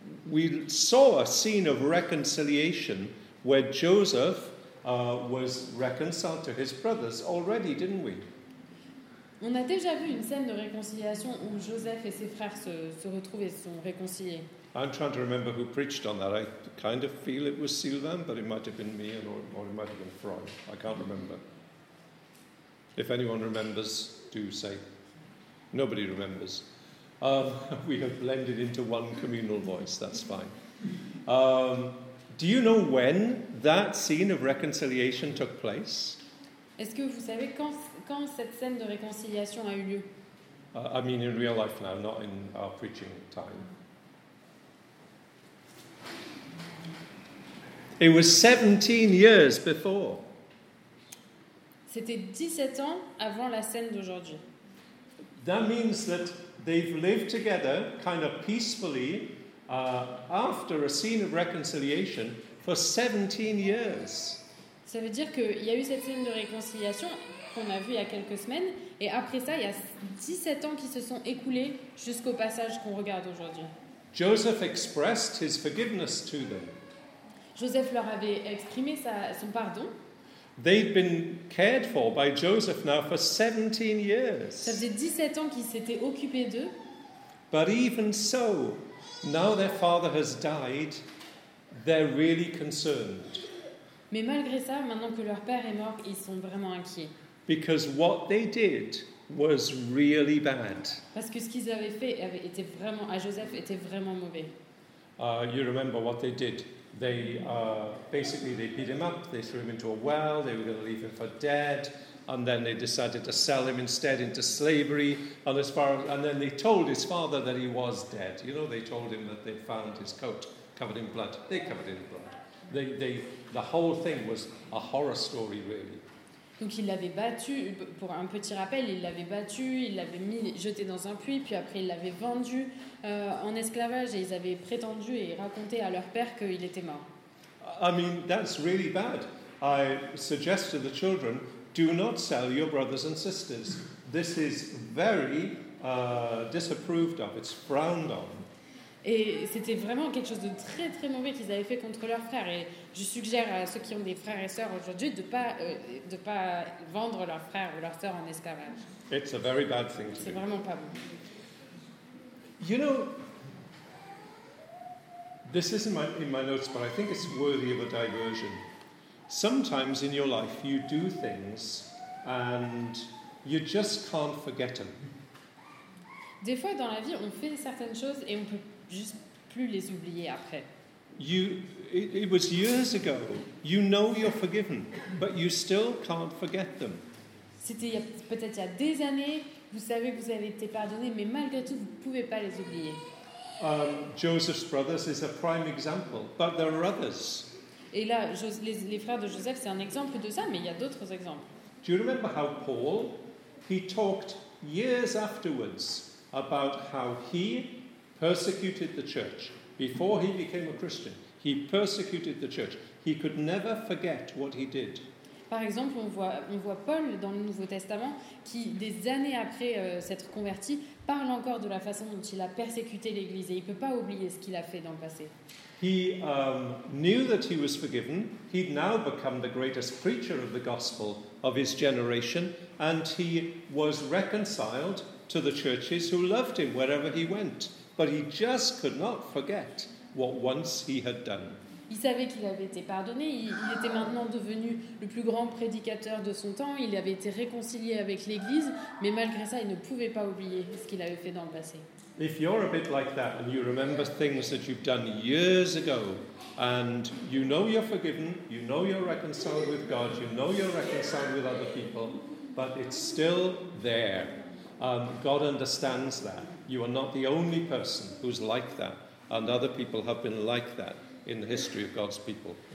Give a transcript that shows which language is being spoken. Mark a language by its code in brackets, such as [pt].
[en] We saw a scene of reconciliation where Joseph was reconciled to his brothers already, didn't we? [fr] On a déjà vu une scène de réconciliation où Joseph et ses frères se retrouvent et sont réconciliés. [en] I'm trying to remember who preached on that. I kind of feel it was Sylvain, but it might have been me, or it might have been Fran. I can't remember. If anyone remembers, do say. Nobody remembers. We have blended into one communal voice. That's fine. Do you know when that scene of reconciliation took place? [fr] Est-ce que vous savez quand cette scène de réconciliation a eu lieu? [en] I mean in real life now, not in our preaching time. It was 17 years before. [fr] C'était 17 ans avant la scène d'aujourd'hui. [en] That means that they've lived together kind of peacefully after a scene of reconciliation for 17 years. [fr] Ça veut dire qu'il y a eu cette scène de réconciliation qu'on a vue il y a quelques semaines et après ça, il y a 17 ans qui se sont écoulés jusqu'au passage qu'on regarde aujourd'hui. [en] Joseph expressed his forgiveness to them. [fr] Joseph leur avait exprimé son pardon. [en] They'd been cared for by Joseph now for 17 years. [fr] Ça faisait 17 ans qu'ils s'étaient occupés d'eux. [en] But even so, now their father has died, they're really concerned. [fr] Mais malgré ça, maintenant que leur père est mort, ils sont vraiment inquiets. [en] Because what they did was really bad. [fr] Parce que ce qu'ils avaient fait était vraiment à Joseph était vraiment mauvais. [en] You remember what they did? They basically they beat him up, they threw him into a well, they were going to leave him for dead, and then they decided to sell him instead into slavery. And as far as, and then they told his father that he was dead. You know, they told him that they found his coat covered in blood. They covered it in blood. The whole thing was a horror story, really. [fr] Donc il l'avait battu, pour un petit rappel, il l'avait battu, il l'avait mis, jeté dans un puits, puis après il l'avait vendu en esclavage et ils avaient prétendu et raconté à leur père qu'il était mort. [en] I mean, that's really bad. I suggest to the children, do not sell your brothers and sisters. This is very disapproved of, it's frowned on. [fr] Et c'était vraiment quelque chose de très très mauvais qu'ils avaient fait contre leurs frères. Et je suggère à ceux qui ont des frères et sœurs aujourd'hui de pas vendre leurs frères ou leurs sœurs en esclavage. [en] It's a very bad thing to do. [fr] C'est vraiment pas bon. [en] You know, this isn't in my notes, but I think it's worthy of a diversion. Sometimes in your life you do things and you just can't forget them. [fr] Des fois dans la vie on fait certaines choses et on peut juste plus les oublier après. [en] It was years ago. You know you're forgiven, but you still can't forget them. [fr] C'était peut-être il y a des années. Vous savez que vous avez été pardonné, mais malgré tout, vous pouvez pas les oublier. [en] Joseph's brothers is a prime example, but there are others. [fr] Et là, les frères de Joseph, c'est un exemple de ça, mais il y a d'autres exemples. [en] Do you remember how Paul, he talked years afterwards about how he persecuted the church before he became a Christian. He persecuted the church. He could never forget what he did. [fr] Par exemple, on voit Paul dans le Nouveau Testament qui, des années après s'être converti, parle encore de la façon dont il a persécuté l'Église et il peut pas oublier ce qu'il a fait dans le passé. [en] He knew that he was forgiven. He'd now become the greatest preacher of the gospel of his generation, and he was reconciled to the churches who loved him wherever he went. But he just could not forget what once he had done. [fr] Il savait qu'il avait été pardonné. Il était maintenant devenu le plus grand prédicateur de son temps. Il avait été réconcilié avec l'Église, mais malgré ça, il ne pouvait pas oublier ce qu'il avait fait dans le passé. [en] If you're a bit like that and you remember things that you've done years ago, and you know you're forgiven, you know you're reconciled with God, you know you're reconciled with other people, but it's still there. God understands that. You are not the only person who's like that, and other people have been like that in the history of God's people.